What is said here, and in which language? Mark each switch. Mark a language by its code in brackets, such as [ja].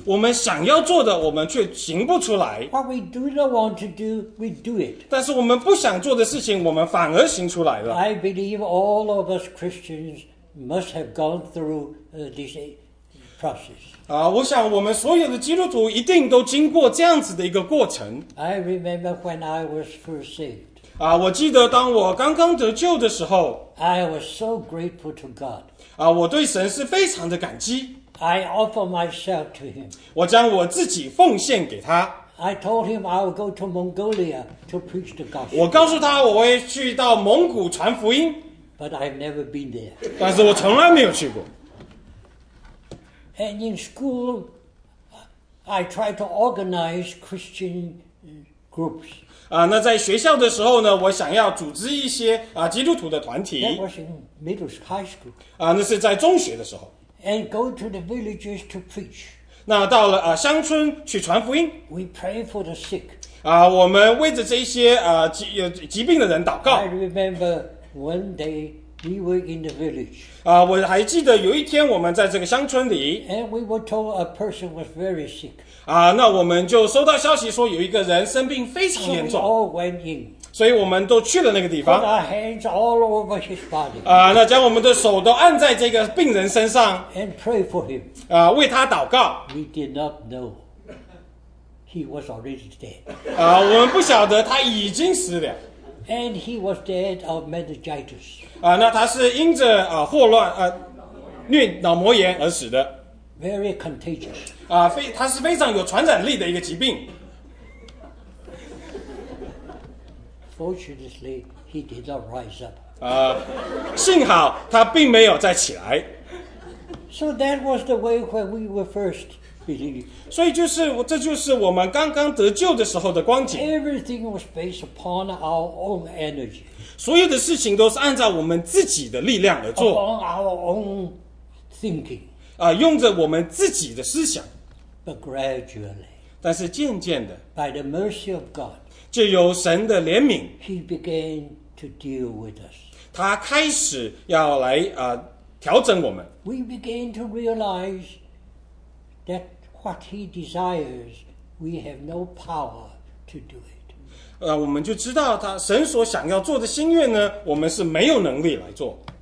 [zh] 我们想要做的，我们却行不出来。 [en] What we do not want to do, we do it. [zh] 但是我们不想做的事情，我们反而行出来了。 [en] I believe all of us Christians must have gone through this process. [zh] 啊，我想我们所有的基督徒一定都经过这样子的一个过程。 [en] I remember when I was first saved. [zh] 啊，我记得当我刚刚得救的时候。 [en] I was so grateful to God. [zh] 啊，我对神是非常的感激。 [en] I offer myself to Him. [zh] 我将我自己奉献给他。 [en] I told Him I will go to Mongolia to preach the gospel. [zh] 我告诉他我会去到蒙古传福音。 [en] But I've never been there. [zh] 但是我从来没有去过。 [en] And in school, I tried to organize Christian groups. [zh] 啊，那在学校的时候呢，我想要组织一些啊基督徒的团体。 [en] That was in middle high school. [zh] 啊，那是在中学的时候。 [en] And go to the villages to preach. [zh] 那到了啊乡村去传福音。 [en] We pray for the sick. [zh] 啊，我们为着这些啊疾病的人祷告。 [en] I remember one day. We were in the village. [zh] 啊，我还记得有一天我们在这个乡村里。 [en] And we were told a person was very sick. [zh] 啊，那我们就收到消息说有一个人生病非常严重。 [en] So we all went in. [zh] 所以我们都去了那个地方。 [en] Put our hands all over his body. [zh] 啊，那将我们的手都按在这个病人身上。 [en] And pray for him. [zh] 啊，为他祷告。 [en] We did not know he was already dead. [zh] 啊，我们不晓得他已经死了。 [en] And he was dead of meningitis. [zh] 啊，那他是因着啊霍乱啊虐脑膜炎而死的。 [en] Very contagious. [zh] 啊，他是非常有传染力的一个疾病。 [en] Fortunately, he did not rise up. [zh] 啊，幸好他并没有再起来。 [en] So that was the way when we were first. Believe. [zh] 所以就是这就是我们刚刚得救的时候的光景。 [en] Everything was based upon our own energy. [zh] 所有的事情都是按照我们自己的力量而做。 [en] Upon our own thinking. [zh] 啊，用着我们自己的思想。 [en] But gradually. [zh] 但是渐渐的。 [en] By the mercy of God. [zh] 借由神的怜悯。 [en] He began to deal with us. [zh] 他开始要来啊调整我们。 [en] We began to realize. That what he desires, we have no power to do it. [zh] 我们就知道他神所想要做的心愿呢，我们是没有能力来做。